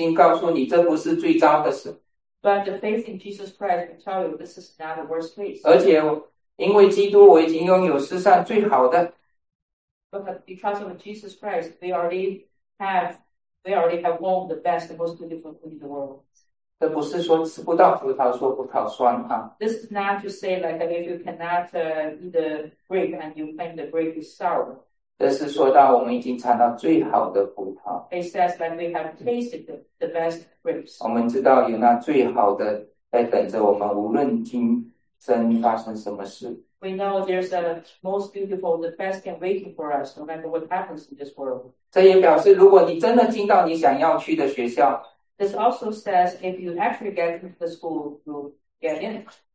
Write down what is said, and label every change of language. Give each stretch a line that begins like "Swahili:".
Chinese: 但是你的信心,在基督里的信心告诉你,这不是最糟的事。
English: But the faith in Jesus Christ will tell you this is not the worst case.
Chinese: 而且因为基督我已经拥有世上最好的,
English: but because of Jesus Christ, they already have won the best, the most beautiful thing in the world.
Chinese: 这不是说吃不到葡萄说葡萄酸哈.
English: This is not to say like if you cannot eat the grape and you think the grape is sour.
Chinese: 这是说到我们已经尝到最好的葡萄.
English: It says that we have tasted the best grapes.
Chinese: 我们知道有那最好的在等着我们，无论今生发生什么事。
English: We know there's a most beautiful, the best can wait for us, no matter what happens in this world.
Chinese: 这也表示如果你真的进到你想要去的学校,
English: this also says if you actually get into the school, you'll get in it.